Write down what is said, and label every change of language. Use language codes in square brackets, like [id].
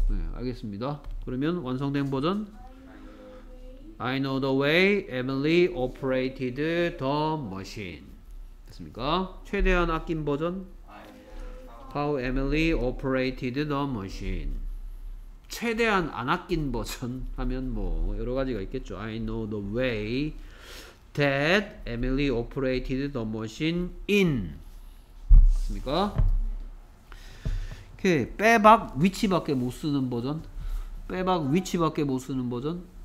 [ko] 네, 알겠습니다. 그러면 완성된 버전 [en] I know the way Emily operated the machine [ko] 됐습니까? 최대한 아낀 버전 [en] How Emily operated the machine. [ko] 최대한 안 아낀 버전 하면 뭐 여러 가지가 있겠죠. [en] I know the way that Emily operated the machine in. [ko] 맞습니까? 오케이. 빼박 위치밖에 못 쓰는 버전. 빼박 위치밖에 못 쓰는 버전.